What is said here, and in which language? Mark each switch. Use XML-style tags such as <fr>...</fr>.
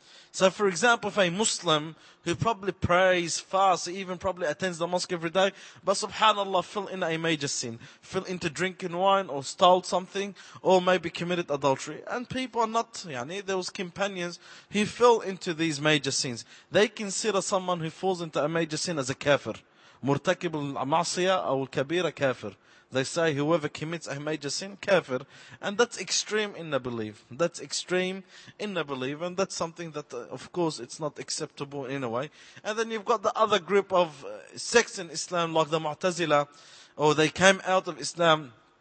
<en>So for example, if a Muslim who probably prays, fasts, even probably attends the mosque every day, but subhanallah, fell in a major sin, fell into drinking wine or stole something, or maybe committed adultery. And people are not, yani, those companions who fell into these major sins, they consider someone who falls into a major sin as a kafir.</en> <ar>مرتكب المعصية أو الكبيرة كافر.</ar> <en>They say whoever commits a major sin, kafir. And that's extreme in the belief. That's extreme in the belief. And that's something that, of course, it's not acceptable in a way. And then you've got the other group of sects in Islam, like the Mu'tazila, or they came out of Islam.</en>